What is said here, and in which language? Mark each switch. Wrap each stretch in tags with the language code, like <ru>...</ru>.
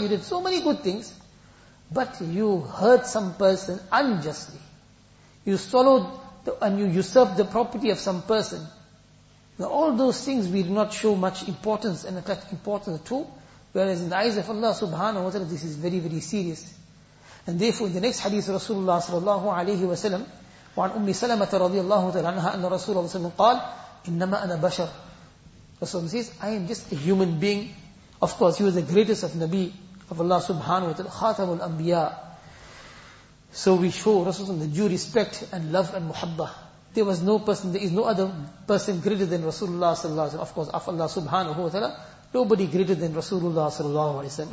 <en>You did so many good things. But you hurt some person unjustly. You swallowed and you usurped the property of some person. Now all those things we do not show much importance and attach importance to, whereas in the eyes of Allah subhanahu wa ta'ala, this is very, very serious. And therefore, in the next hadith, Rasulullah sallallahu alayhi wa sallam,</en> <ar>وعن أم سلمة رضي الله تعالى عنها أن رسول الله صلى الله عليه وسلم قال إنما أنا بشر.</ar> <en>Rasulullah says, I am just a human being. Of course, he was the greatest of Nabi of Allah subhanahu wa ta'ala, خاتم الأنبياء. So we show Rasulullah the due respect and love and muhabbah. There was no person, there is no other person greater than Rasulullah sallallahu alayhi wa sallam. Of course, Allah subhanahu wa ta'ala, nobody greater than Rasulullah sallallahu alayhi wa sallam.</en>